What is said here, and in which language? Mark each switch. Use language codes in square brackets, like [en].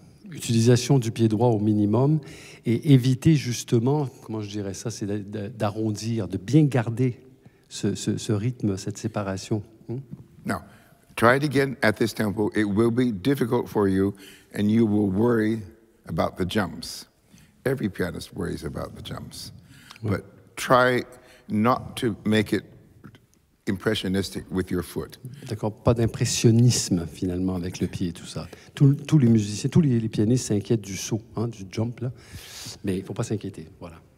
[fr] L'utilisation du pied droit au minimum et éviter justement, comment je dirais ça, c'est d'arrondir, de bien garder ce rythme, cette séparation. [en] Now, try it again at this tempo. It will be difficult for you, and you will worry about the jumps. Every pianist worries about the jumps. Oui. But try not to make it impressionistic with your foot. [fr] D'accord, pas d'impressionnisme, finalement, avec le pied et tout ça. Tous les musiciens, tous les pianistes s'inquiètent du saut, hein, du jump, là. Mais il ne faut pas s'inquiéter, voilà.